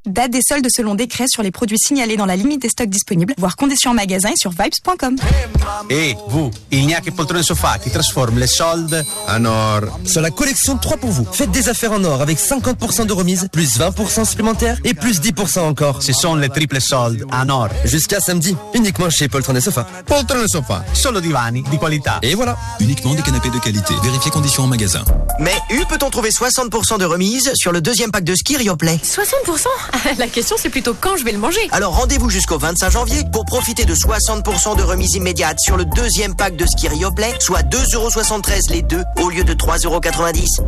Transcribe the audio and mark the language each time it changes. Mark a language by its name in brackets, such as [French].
[French] Date des soldes selon décret sur les produits signalés dans la limite des stocks disponibles, voire conditions en magasin et sur vibes.com. Hé, hey, vous, il n'y a que Poltrone Sofa qui transforme les soldes en or. Sur la collection 3 pour vous, faites des affaires en or avec 50% de remise, plus 20% supplémentaire et plus 10% encore. Ce sont les triples soldes en or. Jusqu'à samedi, uniquement chez Poltrone Sofa. [Italian] Poltrone Sofa, solo divani di qualità. [French] Et voilà. Uniquement des canapés de qualité. Vérifiez conditions en magasin. Mais où peut-on trouver 60% de remise sur le deuxième pack de ski Rioplay. 60%? La question c'est plutôt quand je vais le manger. Alors rendez-vous jusqu'au 25 janvier pour profiter de 60% de remise immédiate sur le deuxième pack de ski Rioplay, soit 2,73€ les deux au lieu de 3,90€.